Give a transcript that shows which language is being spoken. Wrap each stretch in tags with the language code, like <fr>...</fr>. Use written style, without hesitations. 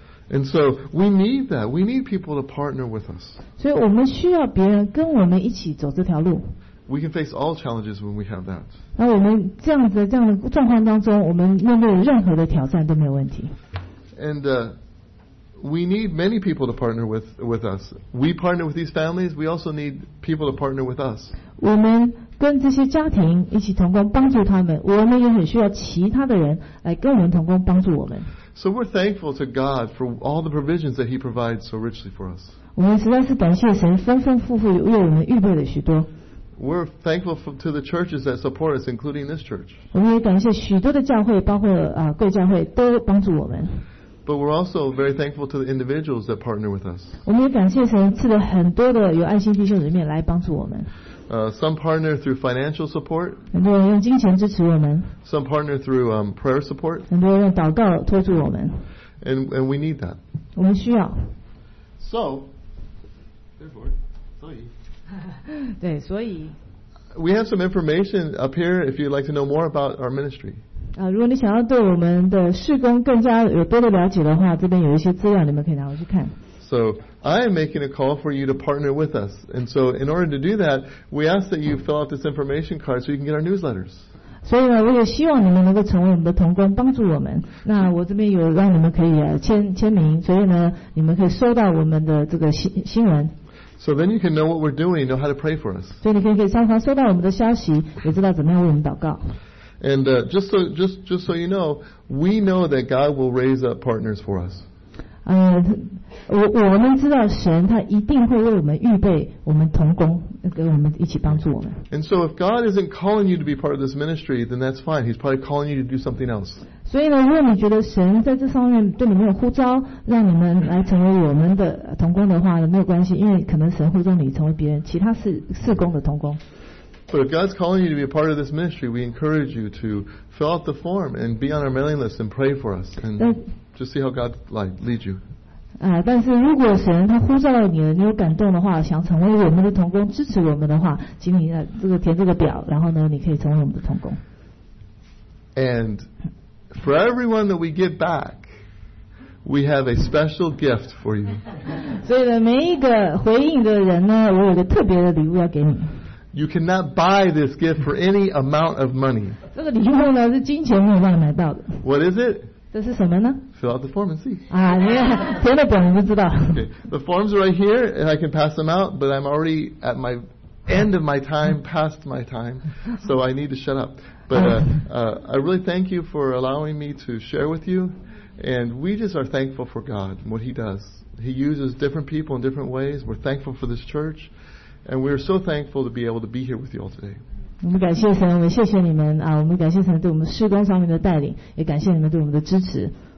<en>And so we need that. We need people to partner with us.</en> <zh>所以我们需要别人跟我们一起走这条路。</zh> <en>We can face all challenges when we have that.</en> <zh>那我们这样的状况当中，我们面对任何的挑战都没有问题。</zh> <en>And we need many people to partner with us. We partner with these families. We also need people to partner with us.</en> <zh>我们跟这些家庭一起同工，帮助他们。我们也很需要其他的人来跟我们同工，帮助我们。</zh> <en>So we're thankful to God for all the provisions that He provides so richly for us.</en> <zh>我们实在是感谢神，丰丰富富为我们预备了许多。</zh> <en>We're thankful to the churches that support us, including this church.</en> <zh>我们也感谢许多的教会，包括贵教会都帮助我们。</zh> <en>But we're also very thankful to the individuals that partner with us.</en> <zh>我们也感谢神赐了很多的有爱心弟兄姊妹来帮助我们。</zh> <en>Some partner through financial support.</en> <zh>很多人用金钱支持我们。</zh> <en>Some partner through prayer support.</en> <zh>很多人用祷告托住我们。</zh> <en>And we need that.</en> <zh>我们需要。</zh> <en>So, therefore,</en> <zh>所以。对，所以。</zh> <en>We have some information up here if you'd like to know more about our ministry.</en> <zh>如果你想要对我们的事工更加有多的了解的话，这边有一些资料，你们可以拿回去看。</zh> <en>So I am making a call for you to partner with us. And so in order to do that, we ask that you fill out this information card so you can get our newsletters.</en> <zh>所以呢，我也希望你们能够成为我们的同工，帮助我们。那我这边有让你们可以签名，所以呢，你们可以收到我们的这个新闻。</zh> <en>So then you can know what we're doing, know how to pray for us.</en> <zh>所以你可以给双方收到我们的消息，也知道怎么样为我们祷告。</zh> <en>And just so you know, we know that God will raise up partners for us.</en> <zh>我们知道神他一定会为我们预备我们同工，给我们一起帮助我们。</zh> <en>And so if God isn't calling you to be part of this ministry, then that's fine. He's probably calling you to do something else.</en> <zh>所以呢，如果你觉得神在这上面对你没有呼召，让你们来成为我们的同工的话呢，没有关系，因为可能神呼召你成为别人其他事工的同工。</zh> <en>But if God's calling you to be a part of this ministry, we encourage you to fill out the form and be on our mailing list and pray for us and just see how God leads you.</en> <zh>但是如果神他呼召了你，你有感动的话，想成为我们的同工，支持我们的话，请你这个填这个表，然后呢，你可以成为我们的同工。</zh> <en>And for everyone that we get back, we have a special gift for you.</en> <zh>所以呢，每一个回应的人呢，我有个特别的礼物要给你。</zh> <en>You cannot buy this gift for any amount of money.</en> <zh>这个礼物呢是金钱没有办法买到的。</zh> <en>What is it?</en> <zh>这是什么呢？</zh> <en>Fill out the form and see.</en> <zh>你填了表你就知道。</zh> <en>Okay, the forms are right here, and I can pass them out. But I'm already at my end of my time, past my time, so I need to shut up. But I really thank you for allowing me to share with you, and we just are thankful for God and what He does. He uses different people in different ways. We're thankful for this church. And we are so thankful to be able to be here with you all today.</en> <zh>我们感谢神，我们谢谢你们啊！我们感谢神对我们施工上面的带领，也感谢你们对我们的支持。</zh>